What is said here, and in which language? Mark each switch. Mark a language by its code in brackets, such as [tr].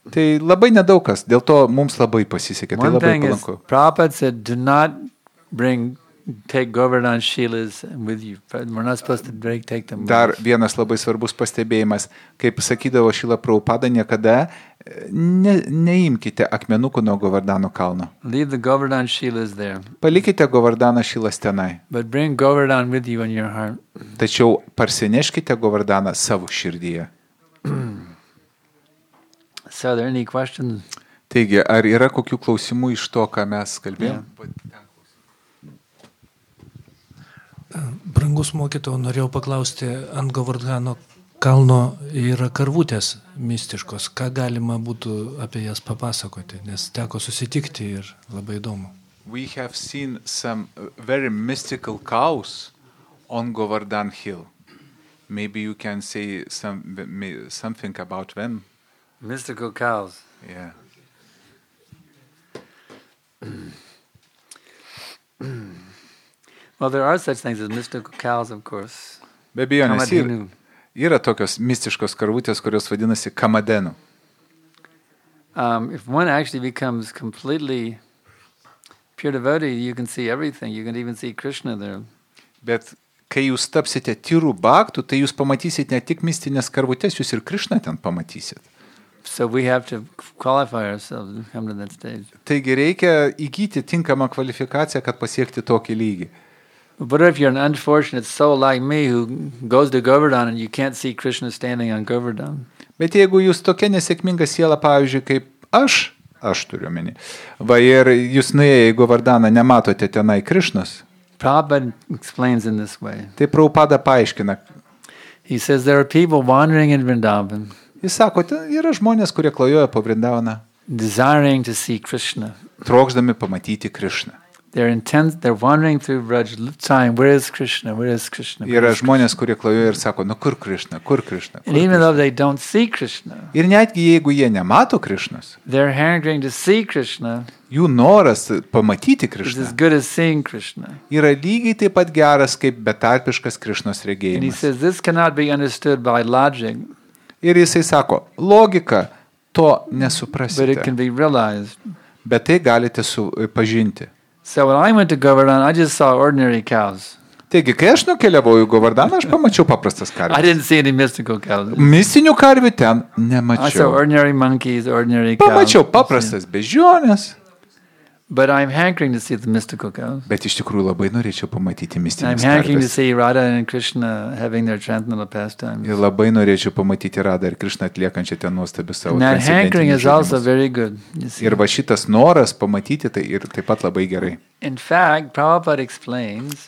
[lt] Tai labai nedaug kas, dėl to mums labai pasisekė, tai labai palanku. [en] Prabhupada said, do not bring, take Govardhana Shilas with you. We're not supposed to bring, take them with [lt] Dar vienas labai svarbus pastebėjimas, kaip sakydavo Šila Prabhupada, niekada neimkite akmenukų nuo Govardhano kalno. [en] Leave the Govardhana Shilas there. [lt] Palikite Govardhana Shilas tenai. [en] But bring Govardhana with you in your heart. [lt] Tačiau parsineškite Govardhana savo širdyje. [en] So are there any questions? [lt] Taigi, ar yra kokių klausimų iš to, ką mes kalbėjom? Brangus mokytojau, norėjau paklausti, ant Govardhano kalno yra karvutės mistiškos. Ką galima būtų apie jas papasakoti, nes teko susitikti ir labai įdomu. [en] We have seen some very mystical cows on Govardhan Hill. Maybe you can say something about them. Mystical cows. Yeah. Well, there are such things as mystical cows, of course. [lt] Be abejonės, yra tokios mystiškos karvutės, kurios vadinasi kamadenu. [en] If one actually becomes completely pure devotee, you can see everything. You can even see Krishna there. [lt] Bet kai jūs tapsite tyru baktu, tai jūs pamatysite ne tik mistinės karvutės, jūs ir Krishna ten pamatysite. [en] So we have to qualify ourselves to come to that stage. [lt] Taigi reikia įgyti tinkamą kvalifikaciją, kad pasiekti tokį lygį. [en] But if you're an unfortunate soul like me who goes to Govardhana and you can't see Krishna standing on Govardhana. [lt] Bet jeigu jūs tokia nesėkminga siela, pavyzdžiui, kaip aš turiu menį, va ir jūs nuėję į Govardhana nematote tenai Krishnas. [en] Prabhupada explains in this way. [lt] Tai Prabhupada paaiškina. [en] He says there are people wandering in Vrindavan. [lt] Jis sako, yra žmonės, kurie klajoja po Vrindavaną. [en] Desiring to see Krishna. [lt] Trokšdami pamatyti Krishna. [en] They're wandering through Braj time. Where is Krishna? Where is Krishna? [lt] Yra žmonės, kurie klajoja ir sako, nu kur Krishna? Kur Krishna? [en] And even though they don't see Krishna. [lt] Ir netgi jeigu jie nemato Krishnas. [en] They're hankering to see Krishna. [lt] Jų noras pamatyti Krishna. [en] It's as good as seeing Krishna. [lt] Yra lygiai taip pat geras kaip betarpiškas Krishnos regėjimas. [en] And he says this cannot be understood by logic. [lt] Ir jisai sako, logika to nesuprasite. Bet tai galite pažinti. [en] So when I went to Govardhana, I just saw ordinary cows. [lt] Taigi, kai aš nukeliavau į Govardhana, aš pamačiau paprastas karvės. [en] I didn't see any mystical cows. [lt] Mistinių karvių ten nemačiau. [en] I saw ordinary monkeys, ordinary cows. [lt] Pamačiau paprastas beždžionės. [en] But I'm hankering to see the mystical cows. [lt] Bet iš tikrųjų labai norėčiau pamatyti mistinius karvės. [en] I'm hankering to see Radha and Krishna having their transcendental pastimes. [lt] Ir labai norėčiau pamatyti Radha ir Krishna atliekančią ten nuostabius savo transcendentinius [en] Hankering is also very good. [lt] Ir va šitas noras pamatyti tai ir taip pat labai gerai. [en] In fact, Prabhupada explains.